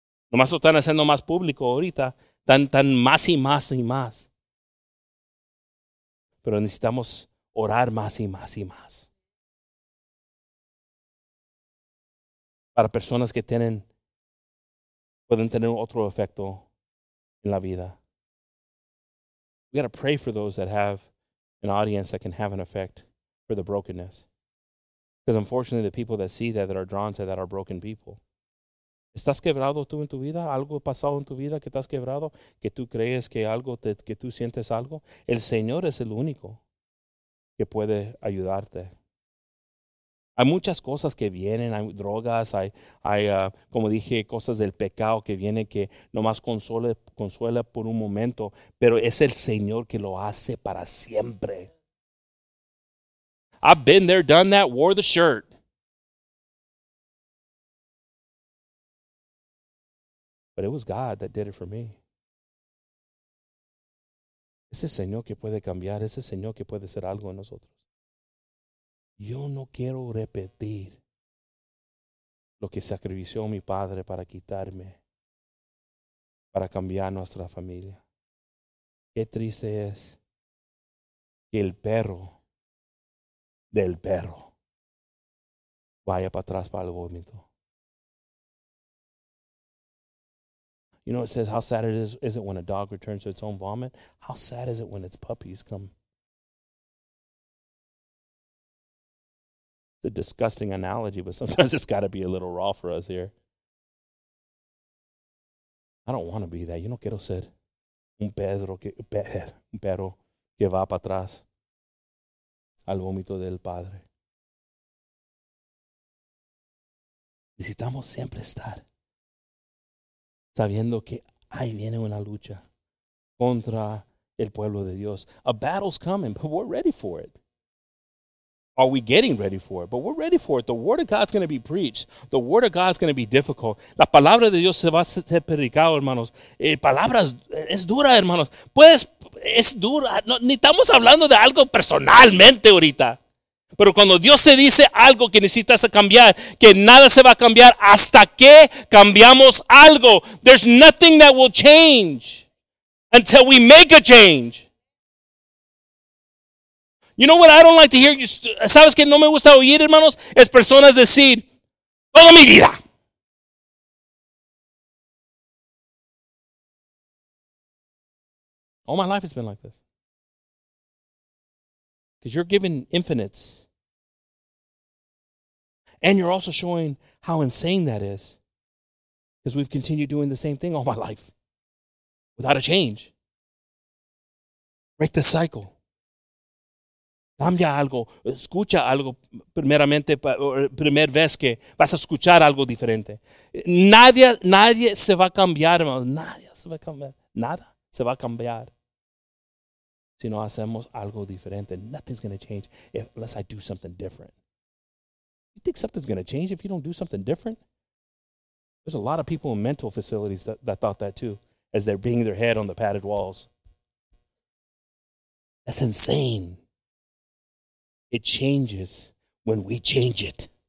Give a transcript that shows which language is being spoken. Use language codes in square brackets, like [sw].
[es] Nomás lo están haciendo más público ahorita, tan más y más y más. Pero necesitamos orar más y más y más. Para personas que pueden tener otro efecto en la vida. [en] We got to pray for those that have an audience that can have an effect for the brokenness. Because unfortunately, the people that see that are drawn to that are broken people. [es] ¿Estás quebrado tú en tu vida? ¿Algo pasado en tu vida que estás quebrado? ¿Que tú crees que algo, que tú sientes algo? El Señor es el único que puede ayudarte. Hay muchas cosas que vienen, hay drogas, como dije, cosas del pecado que vienen que nomás consuela por un momento, pero es el Señor que lo hace para siempre. [en] I've been there, done that, wore the shirt. But it was God that did it for me. [es] Es el Señor que puede cambiar, es el Señor que puede hacer algo en nosotros. Yo no quiero repetir lo que sacrificó mi padre para quitarme, para cambiar nuestra familia. Qué triste es que el perro del perro vaya para atrás para el vómito. [en] You know, it says how sad it is it when a dog returns to its own vomit? How sad is it when its puppies come? The disgusting analogy, but sometimes it's got to be a little raw for us here. I don't want to be that. You [es] no quiero ser un perro que va para atrás al vómito del padre. Necesitamos siempre estar sabiendo que ahí viene una lucha contra el pueblo de Dios. [en] A battle's coming, but we're ready for it. Are we getting ready for it? But we're ready for it. The word of God's going to be preached. The word of God's going to be difficult. [es] La palabra de Dios se va a ser predicado, hermanos. Palabras, es dura, hermanos. Pues, es dura. No, ni estamos hablando de algo personalmente ahorita. Pero cuando Dios te dice algo que necesitas cambiar, que nada se va a cambiar hasta que cambiamos algo. [en] There's nothing that will change until we make a change. You know what I don't like to hear? [es] ¿Sabes que no me gusta oír, hermanos? Es personas decir, toda mi vida. [en] All my life has been like this. Because you're giving infinites. And you're also showing how insane that is. Because we've continued doing the same thing all my life. Without a change. Break the cycle. [es] Cambia algo, escucha algo primeramente, primera vez que vas a escuchar algo diferente. Nadie se va a cambiar, hermanos. Nadie se va a cambiar. Nada se va a cambiar si no hacemos algo diferente. [en] Nothing's going to change unless I do something different. You think something's going to change if you don't do something different? There's a lot of people in mental facilities that thought that too, as they're banging their head on the padded walls. That's insane. It changes when we change it.